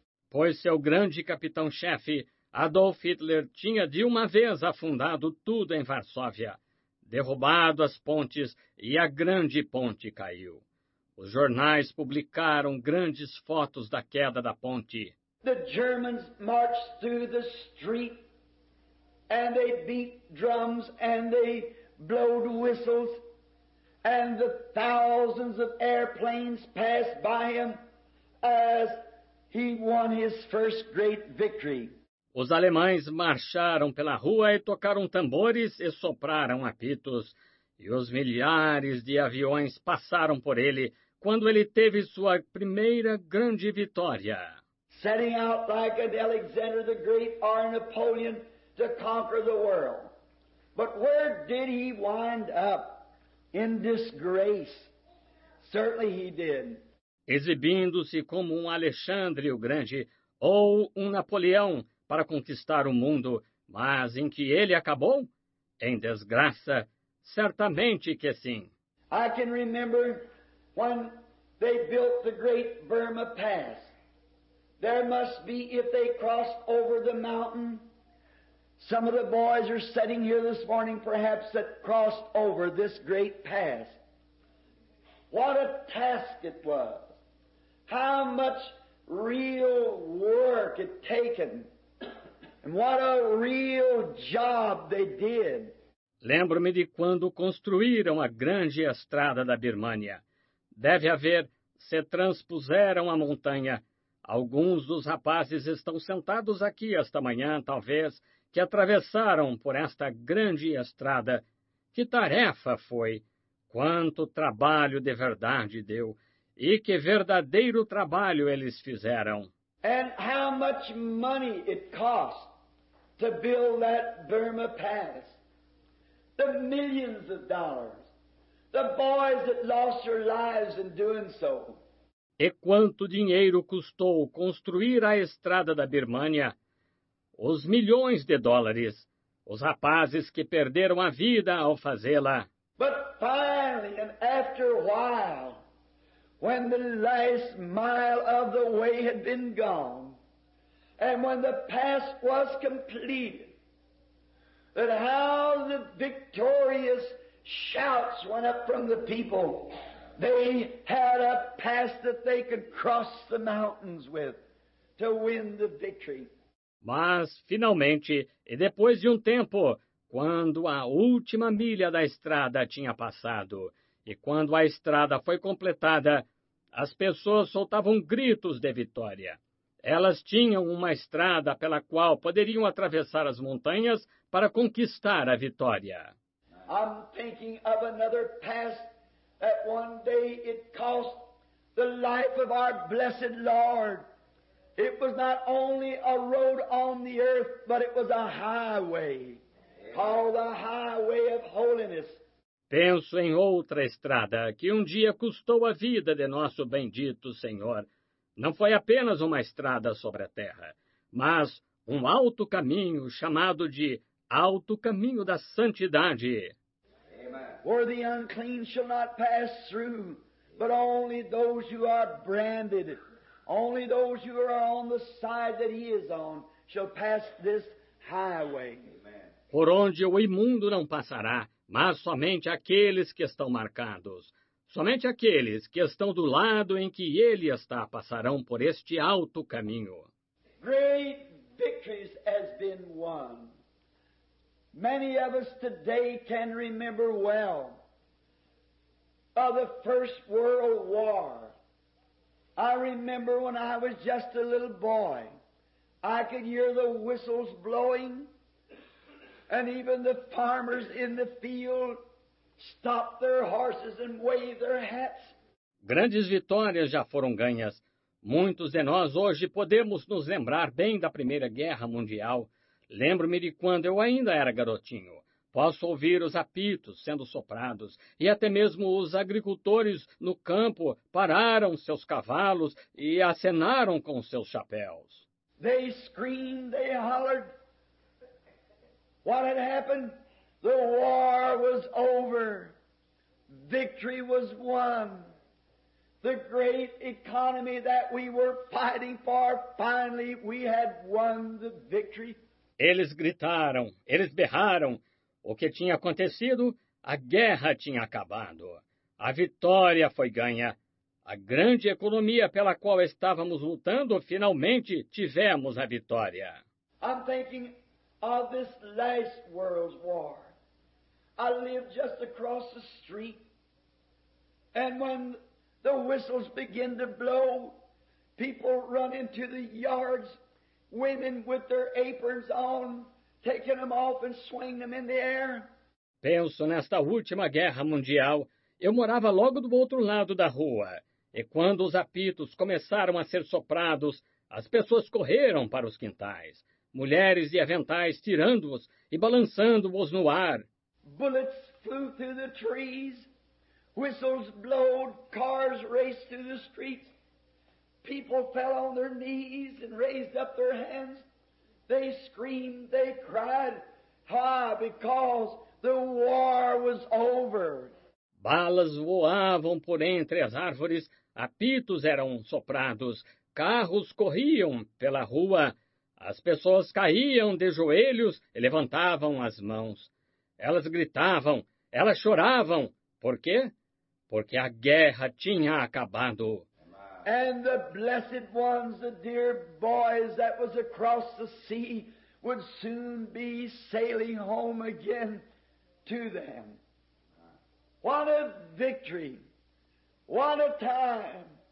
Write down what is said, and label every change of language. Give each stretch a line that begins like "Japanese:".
Portuguese: Pois seu grande capitão-chefe, Adolf Hitler, tinha de uma vez afundado tudo em Varsóvia, derrubado as pontes e a grande ponte caiu. Os jornais publicaram grandes fotos da queda da ponte.
English: The Germans marched through the street and they beat drums and they blowed whistles and the thousands of airplanes passed by him as he won his first great victory.
Portuguese: Os alemães marcharam pela rua e tocaram tambores e sopraram apitos, e os milhares de aviões passaram por ele quando ele teve sua primeira grande vitória.
English: Setting out like an Alexander the Great or Napoleon to conquer the world. But where did he wind up? In disgrace. Certainly he did.
Portuguese: Exibindo-se como um Alexandre o Grande ou um Napoleão para conquistar o mundo, mas em que ele acabou? Em desgraça. Certamente que sim.
English: I can remember when they built the great Burma Pass. There must be, if they cross over the mountain, some of the boys are sitting here this morning, perhaps, that crossed over this great pass. What a task it was! How much real work it taken! And what a real job they did!
Portuguese: Lembro-me de quando construíram a grande estrada da Birmânia. Deve haver, se transpuseram a montanha. Alguns dos rapazes estão sentados aqui esta manhã, talvez, que atravessaram por esta grande estrada. Que tarefa foi! Quanto trabalho de verdade deu! E que verdadeiro trabalho eles fizeram!
English: And how much money it cost to build that Burma Pass? The millions of dollars. The boys that lost their lives in doing so.
Portuguese: E quanto dinheiro custou construir a estrada da Birmânia? Os milhões de dólares. Os rapazes que perderam a vida ao fazê-la.
English: But finally, and after a while, when the last mile of the way had been gone, and when the pass was completed, that how the victorious shouts went up from the people. They had a pass that they could cross the mountains with to win the victory.
Portuguese: Mas, finalmente, e depois de tempo, quando a última milha da estrada tinha passado, e quando a estrada foi completada, as pessoas soltavam gritos de vitória. Elas tinham uma estrada pela qual poderiam atravessar as montanhas para conquistar a vitória.
English: I'm thinking of another pass that one day it cost the life of our blessed Lord. It was not only a road on the earth, but it was a highway, called the highway of holiness.
Portuguese: Penso em outra estrada que dia custou a vida de nosso bendito Senhor. Não foi apenas uma estrada sobre a terra, mas alto caminho chamado de Alto Caminho da Santidade.
English: Where the unclean shall not pass through, but only those who are branded, only those who are on the side that he is on, shall pass this highway.
Portuguese: Por onde o imundo não passará, mas somente aqueles que estão marcados. Somente aqueles que estão do lado em que ele está passarão por este alto caminho.
English: Great victories has been won. Many of us today can remember well of the First World War. I remember when I was just a little boy, I could hear the whistles blowing, and even the farmers in the field stopped their horses and waved their hats.
Portuguese: Grandes vitórias já foram ganhas. Muitos de nós hoje podemos nos lembrar bem da Primeira Guerra Mundial. Lembro-me de quando eu ainda era garotinho. Posso ouvir os apitos sendo soprados, e até mesmo os agricultores no campo pararam seus cavalos e acenaram com seus chapéus.
English: They screamed, they hollered. What had happened? The war was over. Victory was won. The great economy that we were fighting for, finally we had won the victory.
Portuguese: Eles gritaram, eles berraram. O que tinha acontecido? A guerra tinha acabado. A vitória foi ganha. A grande economia pela qual estávamos lutando, finalmente tivemos a vitória.
English: I'm thinking of this last world war. I live just across the street. And when the whistles begin to blow, people run into the yards. Women with their aprons on, taking them off and swinging them in the air.
Portuguese: Penso nesta última guerra mundial. Eu morava logo do outro lado da rua. E quando os apitos começaram a ser soprados, as pessoas correram para os quintais. Mulheres e aventais tirando-os e balançando-os no ar.
English: Bullets flew through the trees. Whistles blowed. Cars raced through the streets. People fell on their knees and raised up their hands. They screamed, they cried, ah, because the war was over.
Portuguese: Balas voavam por entre as árvores, apitos eram soprados, carros corriam pela rua, as pessoas caíam de joelhos e levantavam as mãos. Elas gritavam, elas choravam. Por quê? Porque a guerra tinha acabado.
English: And the blessed ones, the dear boys that was across the sea, would soon be sailing home again to them. What a victory! What a time!